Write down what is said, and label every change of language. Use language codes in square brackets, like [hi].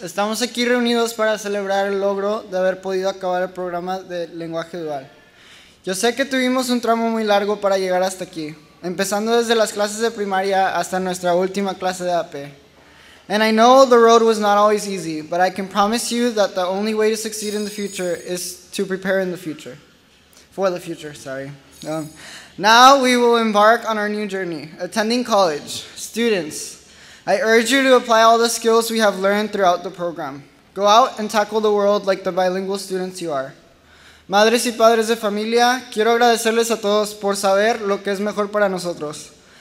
[es] Estamos aquí reunidos para celebrar el logro de haber podido acabar el programa de lenguaje dual. Yo sé que tuvimos un tramo muy largo para llegar hasta aquí, empezando desde las clases de primaria hasta nuestra última clase de AP. [en] And I know the road was not always easy, but I can promise you that the only way to succeed in the future is to prepare in the future. For the future, sorry. Now we will embark on our new journey, attending college. Students, I urge you to apply all the skills we have learned throughout the program. Go out and tackle the world like the bilingual students you are. [es] Madres y padres de familia, quiero agradecerles a todos por saber lo que es mejor para nosotros.